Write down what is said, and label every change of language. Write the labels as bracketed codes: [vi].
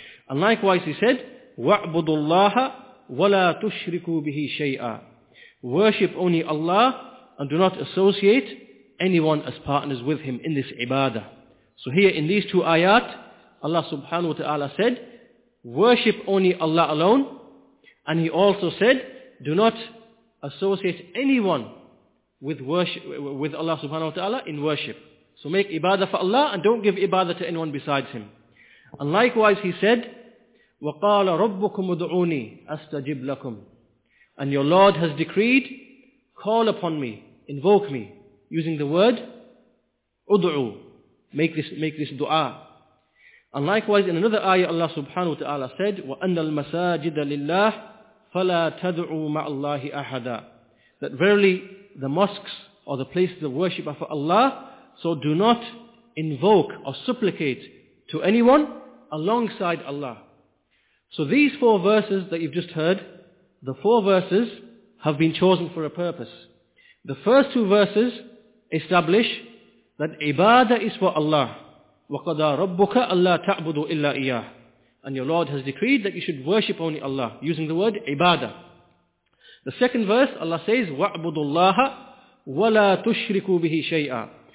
[en] And likewise He said, [ar] وَعْبُدُوا اللَّهَ وَلَا تُشْرِكُوا بِهِ شَيْئًا. [en] Worship only Allah and do not associate anyone as partners with Him in this ibadah. So here in these two ayat, Allah subhanahu wa ta'ala said, worship only Allah alone. And He also said, do not associate anyone with worship, with Allah subhanahu wa ta'ala in worship. So make ibadah for Allah and don't give ibadah to anyone besides Him. And likewise He said, [ar] وَقَالَ رَبُّكُمْ ادْعُونِي أَسْتَجِبْ لَكُمْ. [en] And your Lord has decreed, call upon me, invoke me, using the word udu, make this dua. And likewise in another ayah Allah subhanahu wa ta'ala said, [ar] وَأَنَّ الْمَسَاجِدَ لِلَّهِ فَلَا تَدْعُوا مَعَ اللَّهِ أَحَدًا. [en] That verily the mosques or the places of worship are for Allah, so do not invoke or supplicate to anyone alongside Allah. So these four verses that you've just heard, the four verses have been chosen for a purpose. The first two verses establish that ibadah is for Allah. [ar] وَقَضَى رَبُّكَ أَلَّا تَعْبُدُوا إِلَّا إِيَّاهُ. [en] And your Lord has decreed that you should worship only Allah, using the word ibadah. The second verse, Allah says, [ar] وَعْبُدُوا اللَّهَ وَلَا تُشْرِكُوا بِهِ شَيْئًا.